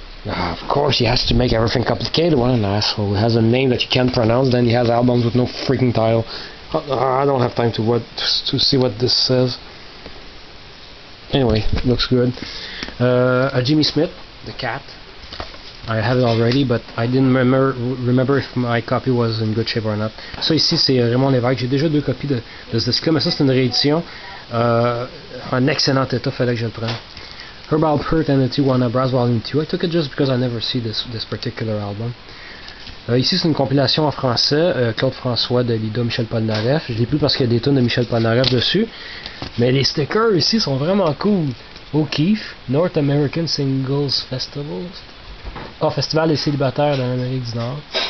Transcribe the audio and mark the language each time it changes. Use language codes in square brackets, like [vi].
[en] Of course, he has to make everything complicated. What an asshole. He has a name that you can't pronounce, then he has albums with no freaking title. I don't have time to see what this says. Anyway, looks good. A Jimmy Smith, The Cat. I have it already, but I didn't remember if my copy was in good shape or not. [fr] Ça ici, c'est Raymond Lévesque. J'ai déjà deux copies de ce disque-là, mais ça, c'est une réédition. Un excellent état, fallait que je le prenne. [en] Herb Alpert and the Tijuana Brass Volume 2. I took it just because I never see this particular album. [fr] Ici, c'est une compilation en français, Claude François de Lido, Michel Polnareff. Je l'ai plus parce qu'il y a des tonnes de Michel Polnareff dessus. Mais les stickers ici sont vraiment cool. O'Keefe, [en] North American Singles Festival. [fr] Oh, Festival des Célibataires de l'Amérique du Nord.